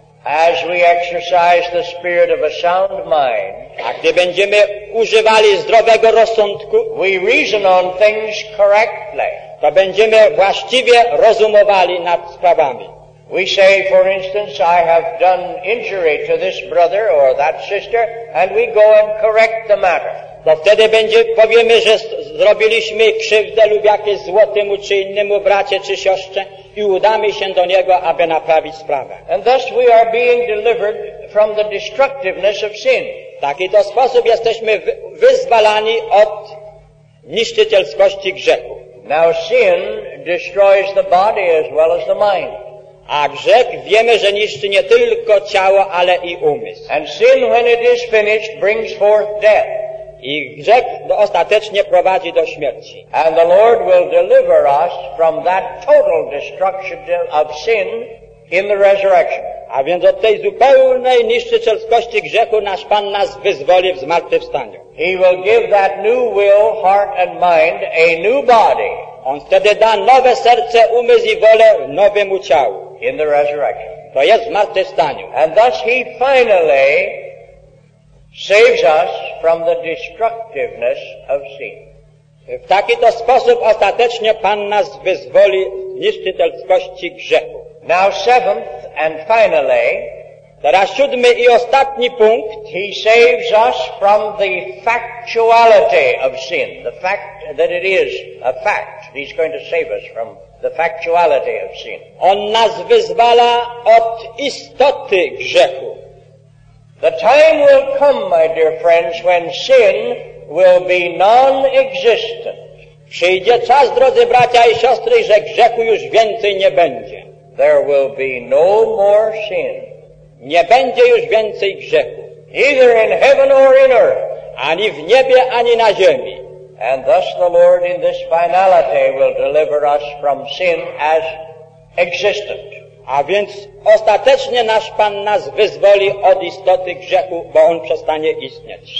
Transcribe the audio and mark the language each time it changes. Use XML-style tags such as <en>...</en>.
<en>As we exercise the spirit of a sound mind,</en> <pl>a gdy będziemy używali zdrowego rozsądku,</pl> <en>we reason on things correctly.</en> <pl>To będziemy właściwie rozumowali nad sprawami.</pl> <en>We say, for instance, I have done injury to this brother or that sister, and we go and correct the matter.</en> <pl>To wtedy powiemy, że zrobiliśmy krzywdę lub jakieś zło temu czy innemu bracie czy siostrze i udamy się do niego, aby naprawić sprawę.</pl> <en>And thus we are being delivered from the destructiveness of sin.</en> <pl>Taki to sposób jesteśmy wyzwalani od niszczycielskości grzechu.</pl> <en>Now sin destroys the body as well as the mind.</en> <pl>A grzech wiemy, że niszczy nie tylko ciało, ale i umysł.</pl> <en>And sin, when it is finished, brings forth death.</en> <pl>I grzech ostatecznie prowadzi do śmierci.</pl> <en>And the Lord will deliver us from that total destruction of sin in the resurrection.</en> <pl>A więc od tej zupełnej niszczycielskości grzechu nasz Pan nas wyzwoli w zmartwychwstaniu.</pl> <en>He will give that new will, heart and mind a new body.</en> <pl>On wtedy da nowe serce, umysł i wolę nowemu ciału.</pl> <en>In the resurrection.</en> <pl>To jest w zmartwychwstaniu.</pl> <en>And thus he finally saves us from the destructiveness of sin.</en> <pl>W taki to sposób ostatecznie Pan nas wyzwoli z niszczycielskości grzechu.</pl> <en>Now seventh and finally,</en> <pl>teraz siódmy i ostatni punkt,</pl> <en>he saves us from the factuality of sin. The fact that it is a fact. He's going to save us from the factuality of sin.</en> <pl>On nas wyzwala od istoty grzechu.</pl> <en>The time will come, my dear friends, when sin will be non-existent.</en> <pl>Przyjdzie czas, drodzy bracia i siostry, że grzechu już więcej nie będzie.</pl> <en>There will be no more sin.</en> <pl>Nie będzie już więcej grzechu.</pl> <en>Either in heaven or in earth.</en> <pl>Ani w niebie, ani na ziemi.</pl> <en>And thus the Lord in this finality will deliver us from sin as existent.</en> <pl>A więc ostatecznie nasz Pan nas wyzwoli od istoty grzechu, bo on przestanie istnieć.</pl>